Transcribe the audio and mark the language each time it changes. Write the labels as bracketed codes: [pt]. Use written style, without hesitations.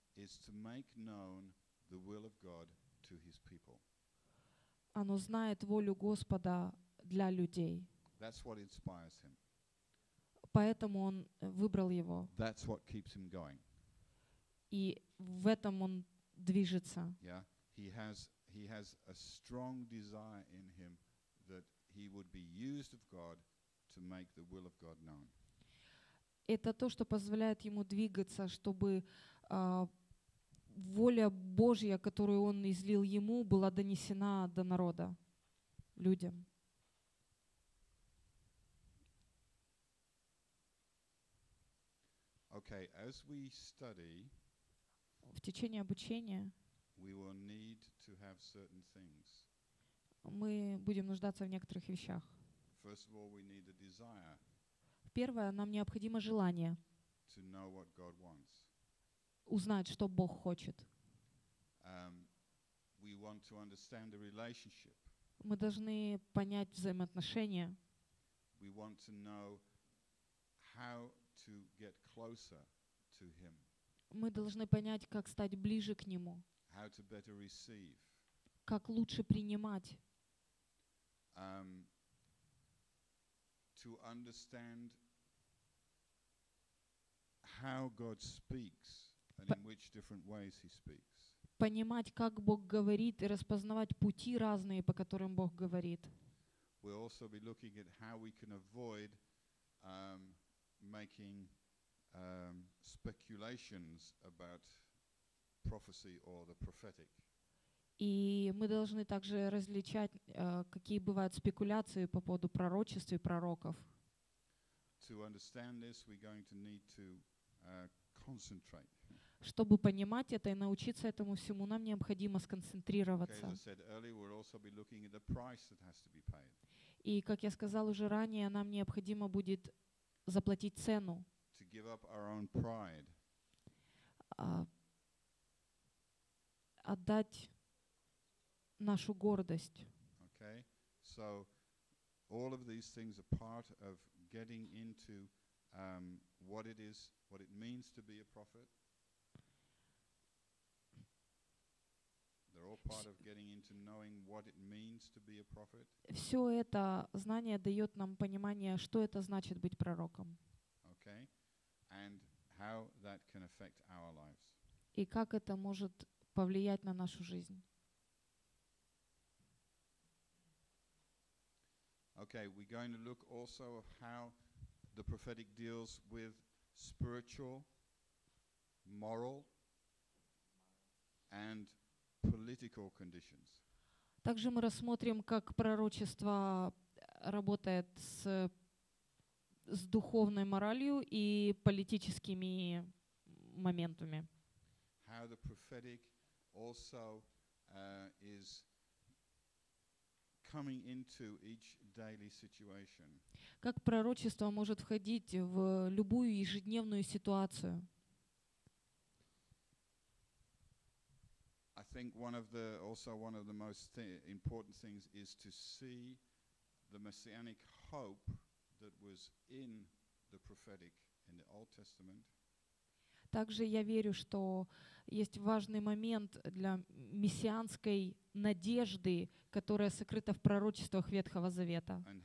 [en] is to make known the will of God to his people. [ru] Оно знает волю Господа для людей. [en] That's what inspires him. [ru] Поэтому он выбрал его. [en] That's what keeps him going. [ru] И в этом он движется. [en] Yeah, he has a strong desire in him that he would be used of God to make the will of God known. [ru] Это то, что позволяет ему двигаться, чтобы воля Божья, которую он излил ему, была донесена до народа, людям. [en] Okay, as we study, [ru] в течение обучения [en] we will need to have certain things. [ru] Мы будем нуждаться в некоторых вещах. [en] First of all, we need a desire. [ru] Первое, нам необходимо желание [en] to know what God wants. [ru] Узнать, что Бог хочет. [en] We want to understand the relationship. [ru] Мы должны понять взаимоотношения. [en] We want to know how to get closer to him. [ru] Мы должны понять, как стать ближе к нему. [en] How to better receive. [ru] Как лучше принимать. [en] To understand how God speaks. And in which different ways he speaks. [ru] Понимать, как Бог говорит, и распознавать пути разные, по которым Бог говорит. [en] We'll also be looking at how we can avoid making speculations about prophecy or the prophetic. [ru] И мы должны также различать, какие бывают спекуляции по поводу пророчеств и пророков. [en] To understand this, we're going to need to concentrate. [ru] Чтобы понимать это и научиться этому всему, нам необходимо сконцентрироваться. [en] Okay, as I said earlier, we'll also be looking at the price that has to be paid. [ru] И, как я сказал уже ранее, нам необходимо будет заплатить цену. [en] To give up our own pride. [ru] Отдать нашу гордость. [en] Okay. So all of these things are part of getting into what it is, what it means to be a prophet. They're all part of getting into knowing what it means to be a prophet. [ru] Все это знание дает нам понимание, что это значит быть пророком. [en] Okay. And how that can affect our lives. [ru] И как это может повлиять на нашу жизнь. [en] Okay, we're going to look also at how the prophetic deals with spiritual, moral and political conditions. [ru] Также мы рассмотрим, как пророчество работает с духовной моралью и политическими моментами. [en] How the prophetic also is coming into each daily situation. [ru] Как пророчество может входить в любую ежедневную ситуацию? [en] I think one of the most important things is to see the messianic hope that was in the prophetic in the Old Testament. [ru] Также я верю, что есть важный момент для мессианской надежды, которая сокрыта в пророчествах Ветхого Завета.